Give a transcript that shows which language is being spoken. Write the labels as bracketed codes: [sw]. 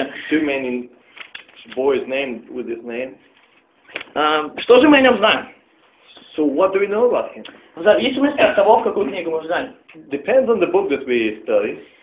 [en] Too many boys named with this name. [ru] Что же мы о нем знаем? [en] So what do we know about him? [ru] В зависимости от того, в какую книгу мы взяли. [en] Depends on the book that we study.